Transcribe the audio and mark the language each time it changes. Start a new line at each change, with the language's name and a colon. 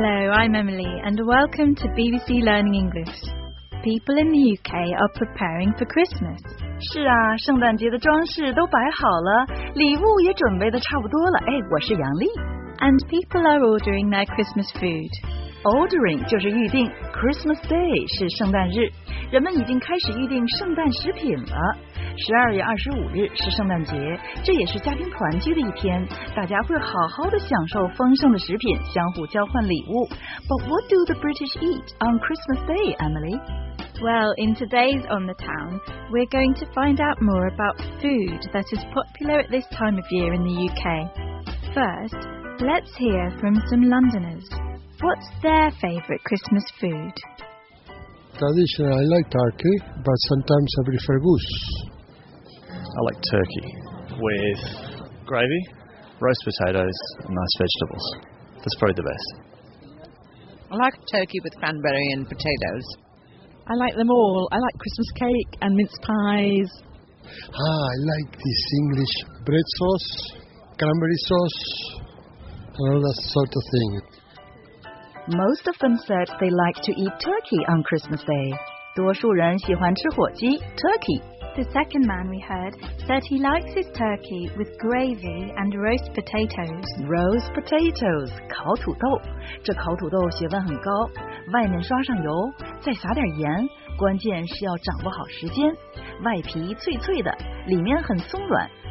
English: I'm Emily, and welcome to BBC Learning English. People in the UK are preparing for Christmas.
Chinese: 是啊，圣诞节的装饰都摆好了，礼物也准备的差不多了。哎，我是杨丽。
English: And people are ordering their Christmas food.
Chinese: Ordering 就是预定 ，Christmas Day 是圣诞日，人们已经开始预定圣诞食品了。 12月25日是圣诞节，这也是家庭团聚的一天，大家会好好的享受丰盛的食品，相互交换礼物。
English: But what do the British eat on Christmas Day, Emily? Well, in today's On the Town, we're going to find out more about food that is popular at this time of year in the UK. First, let's hear from some Londoners. What's their favourite Christmas food? Traditionally, I like turkey, but sometimes I prefer goose. I like turkey with gravy, roast potatoes, and nice vegetables. That's probably the best. I like turkey with cranberry and potatoes. I like them all. I like Christmas cake and mince pies. Ah, I like this English bread sauce, cranberry sauce, and all that sort of thing. Most of them said they like to eat turkey on Christmas Day.
Chinese: 多数人喜欢吃火鸡 turkey.
English: The second man we heard said he likes his turkey with gravy and roast potatoes.
Chinese: Roast potatoes, 烤土豆。这烤土豆学问很高。外面刷上油，再撒点盐，关键是要掌握好时间。外皮脆脆的，里面很松软。